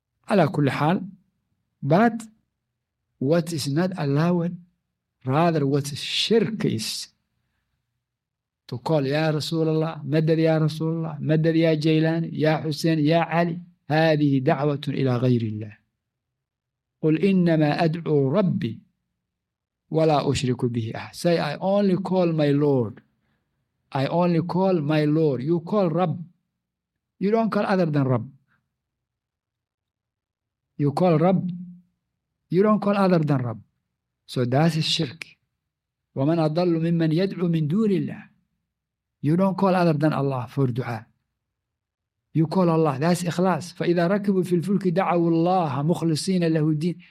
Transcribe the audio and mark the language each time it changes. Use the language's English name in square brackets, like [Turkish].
[English] Ala kulli hal, but what is not allowed Rather, what shirk is to call Ya Rasulullah, Madad Ya Rasulullah, Madad Ya Jailani, Ya Hussein, Ya Ali, [Arabic] هذه دعوة إلى غير الله. قل إنما أدعو ربي ولا أشرك به أحد. [English] Say, I only call my Lord. I only call my Lord. You call Rabb. You don't call other than Rabb. You call Rabb. You don't call other than Rabb. So that is shirk. [Arabic] ومن أضل ممن يدعو من دون الله. [English] You don't call other than Allah for dua. You call Allah. That's ikhlas. [Arabic] فإذا ركبوا في الفلك دعوا الله مخلصين له الدين.